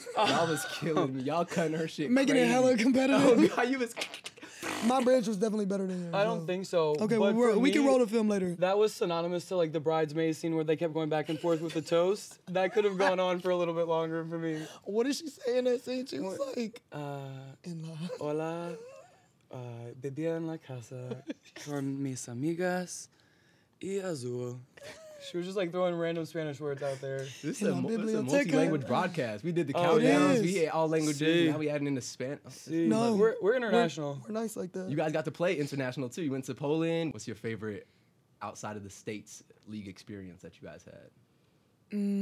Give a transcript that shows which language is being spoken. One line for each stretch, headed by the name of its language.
English: Y'all was killing me. Y'all cutting her shit. Making crazy. It hella competitive. Oh, God, you was. My bridge was definitely better than yours. I don't think so. Okay, but we can roll the film later. That was synonymous to like the bridesmaid scene where they kept going back and forth with the toast. That could have gone on for a little bit longer for me. What did she say in that scene? She was like, in love.
Spanish: Hola, vivía en la casa con mis amigas y azul.
English: She was just like throwing random Spanish words out there. This is a multi-language broadcast. We did the countdowns. We ate all languages.
Spanish: Si.
English: Now we adding in the Spanish. Si. No, we're international. We're nice like that. You guys got to play international too. You went to Poland. What's your favorite outside of the States league experience that you guys had?